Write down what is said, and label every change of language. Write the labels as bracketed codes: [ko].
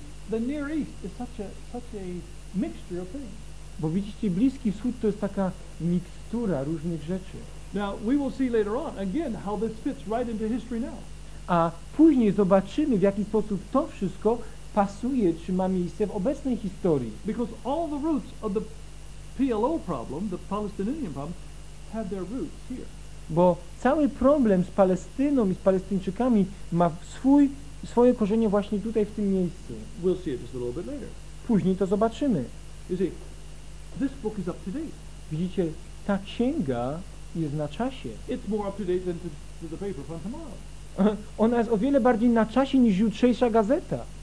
[en] The Near East is such a mixture of things. [pl] Bo widzicie, Bliski Wschód to jest taka mikstura różnych rzeczy. [en] Now we will see later on again how this fits right into history now. [pl] A później zobaczymy, w jaki sposób to wszystko pasuje, czy ma miejsce w obecnej historii. [en] Because all the roots of the PLO problem, the Palestinian problem, have their roots here. [pl] Bo cały problem z Palestyną i z Palestyńczykami ma swoje korzenie właśnie tutaj, w tym miejscu. [en] We'll see it just a little bit later. [pl] Później to zobaczymy. [en] You see, this book is up to date. [pl] Widzicie, ta księga jest na czasie. [en] It's more up to date than to the paper from tomorrow. [pl] Ona jest o wiele bardziej na czasie niż jutrzejsza gazeta.